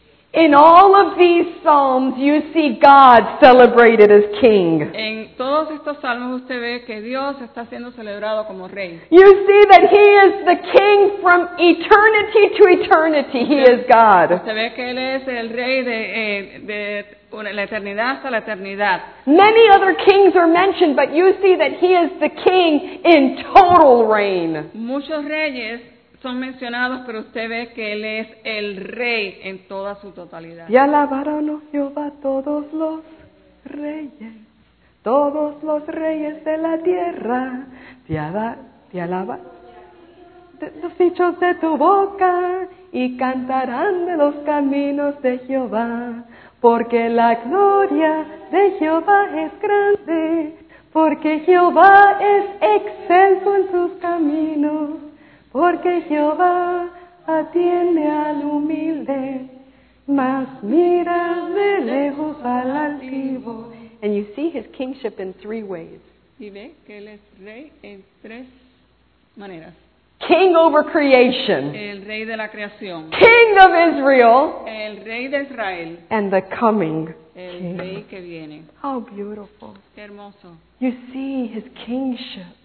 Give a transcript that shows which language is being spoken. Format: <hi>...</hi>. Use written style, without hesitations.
<en>In all of these psalms, you see God celebrated as king.</en> <es>En todos estos salmos usted ve que Dios está siendo celebrado como rey.</es> <en>You see that He is the king from eternity to eternity. He is God.</en> <es>Usted ve que él es el rey de la eternidad hasta la eternidad.</es> <en>Many other kings are mentioned, but you see that He is the king in total reign.</en> <es>Muchos reyes son mencionados, pero usted ve que Él es el Rey en toda su totalidad. Y alabaron a Jehová todos los reyes de la tierra. Te alabaron los dichos de tu boca y cantarán de los caminos de Jehová. Porque la gloria de Jehová es grande, porque Jehová es excelso en sus caminos. Porque Jehová atiende al humilde, mas mira de lejos al altivo.</es> <en>And you see His kingship in three ways.</en> <es>Y ve que Él es rey en tres maneras.</es> <en>King over creation.</en> <es>El rey de la creación.</es> <en>King of Israel.</en> <es>El rey de Israel.</es> <en>And the coming</en> <es>el king. El rey que viene.</es> <en>How beautiful.</en> <es>Qué hermoso.</es> <en>You see His kingship.</en>